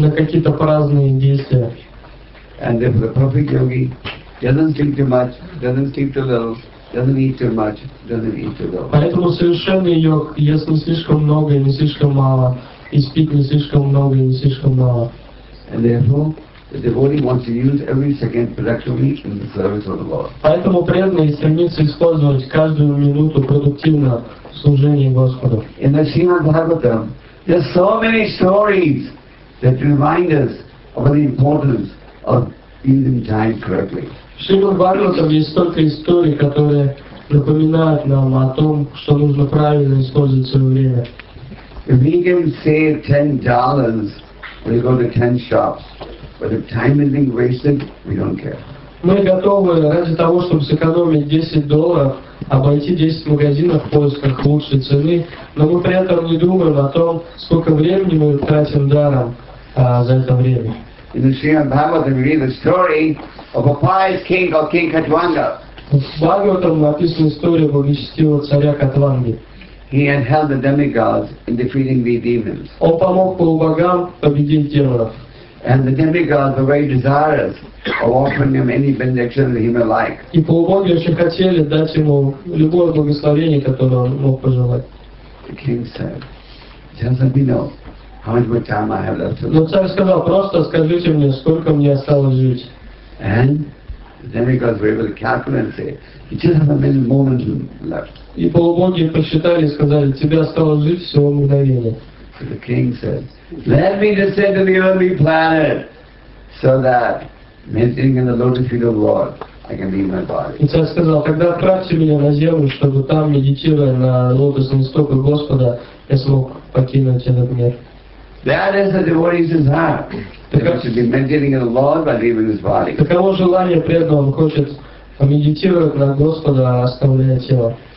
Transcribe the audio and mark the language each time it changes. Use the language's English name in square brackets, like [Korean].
[Russian] На какие-то праздные действия. [English] And if the perfect yogi doesn't sleep too much, doesn't sleep too little, doesn't eat too much, doesn't eat too little. [Russian] Поэтому совершенный йог ест не слишком много и не слишком мало, и спит не слишком много и не слишком мало. [English] And therefore, the devotee wants to use every second productively in the service of the Lord. [Russian] Поэтому преданный стремится использовать каждую минуту продуктивно в служении Господу. [English] In the Srimad Bhagavatam, there are so many stories that remind us of the importance of using time correctly. [Russian] В Srimad Bhagavatam есть столько историй, которые напоминают нам о том, что нужно правильно использовать свое время. [English] If we can save $10 when we go to 10 shops, but if time is being wasted, we don't care. [Russian] Мы готовы ради того, чтобы сэкономить $10, обойти 10 магазинов в поисках лучшей цены, но мы при этом не думаем о том, сколько времени мы тратим даром за это время. [English] In the Srimad Bhagavatam, we read the story of a pious king called King Katwanga. [Russian] В Бхагаватам написана история о благочестивого царя Катванги. [English] He had helped the demigods in defeating the demons. [Russian] Он помог полубогам победить демонов. [English] And the demigods were very desirous of offering him any benediction that he may like. [Russian] И полубоги очень хотели дать ему любое благословение, которое он мог пожелать. [English] The king said, just let me know how much more time I have left to live. [Russian] Но царь сказал, просто скажите мне, сколько мне осталось жить. [English] And the demigods were able to calculate and say, you just have a minute moment left. [Russian] И полубоги посчитали и сказали, тебе осталось жить всего мгновение. [English] So the king said, let me descend to the earthly planet so that, meditating in the lotus feet of the Lord, I can leave my body. [Russian] И царь сказал, тогда отправьте меня на землю, чтобы там, медитируя на лотосные стопы Господа, я смог покинуть этот мир. [English] That is the devotee's desire. That he should be meditating in the Lord by leaving his body. [Russian] Таково желание преданного, он хочет медитировать на Господа, оставляя тело.